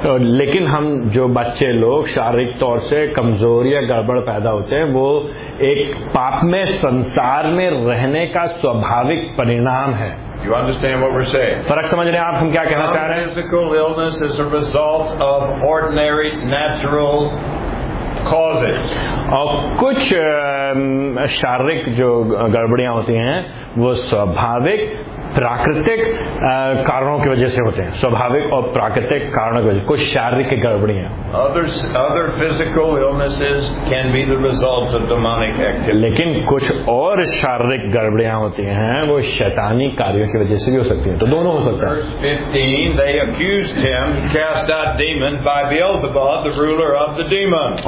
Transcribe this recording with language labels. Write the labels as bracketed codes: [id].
[hi] लेकिन हम जो बच्चे लोग शारीरिक तौर से कमजोर या गड़बड़ पैदा होते हैं वो एक पाप में संसार में रहने का स्वाभाविक परिणाम है. [en] You understand what we're saying? [hi] फर्क समझ रहे हैं आप हम क्या कहना चाह रहे हैं? [en] Physical illness is a result of ordinary natural causes. [hi] और कुछ शारीरिक जो गड़बड़ियां होती हैं वो स्वाभाविक प्राकृतिक कारणों की वजह से होते हैं. स्वाभाविक और प्राकृतिक कारणों की वजह से कुछ शारीरिक गड़बड़ियां. [en] Other physical illnesses can be the result of demonic activity. [hi] लेकिन कुछ और शारीरिक गड़बड़ियां होती हैं वो शैतानी कार्यों की वजह से भी हो सकती हैं. तो दोनों हो सकता है. [en] Verse 15, they accused him to cast out demons by Beelzebub, the ruler of the demons.